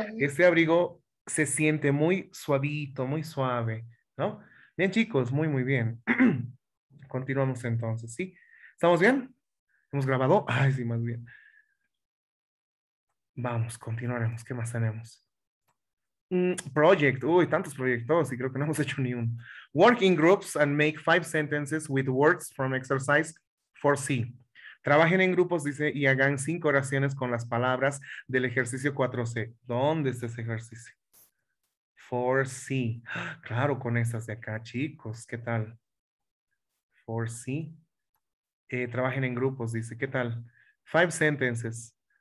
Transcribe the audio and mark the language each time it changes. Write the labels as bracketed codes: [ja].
[es] Este abrigo se siente muy suavito, muy suave, ¿no? Bien, chicos, muy, muy bien. Continuamos entonces, ¿sí? ¿Estamos bien? ¿Hemos grabado? Ay, sí, más bien. Vamos, continuaremos. ¿Qué más tenemos? Project. Uy, tantos proyectos y creo que no hemos hecho ni uno. [en] Working groups and make 5 sentences with words from exercise 4C. [es] Trabajen en grupos, dice, y hagan 5 oraciones con las palabras del ejercicio 4C. ¿Dónde está ese ejercicio? 4C. Claro, con estas de acá, chicos. ¿Qué tal? 4C. Trabajen en grupos, dice. ¿Qué tal? [en] 5 sentences.